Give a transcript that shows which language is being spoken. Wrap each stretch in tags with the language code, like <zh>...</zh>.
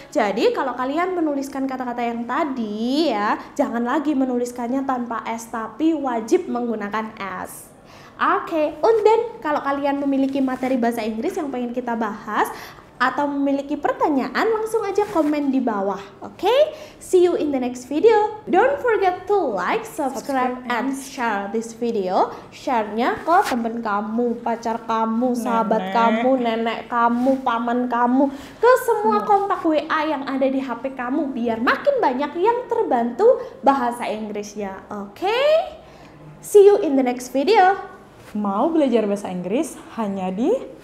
<id>Jadi, kalau kalian menuliskan kata-kata yang tadi ya, jangan lagi menuliskannya tanpa S, tapi wajib menggunakan S. Okay.</id> <en>And then</en> <id>kalau kalian memiliki materi bahasa Inggris yang pengen kita bahas atau memiliki pertanyaan, langsung aja komen di bawah.</id> <en>Okay? See you in the next video. Don't forget to like, subscribe, and share this video.</en> <id>Share-nya ke temen kamu, pacar kamu, sahabat nenek. Kamu, nenek kamu, paman kamu, ke semua kontak WA yang ada di HP kamu biar makin banyak yang terbantu bahasa Inggrisnya.</id> <en>Okay? See you in the next video.</en> <id>Mau belajar bahasa Inggris hanya di</id>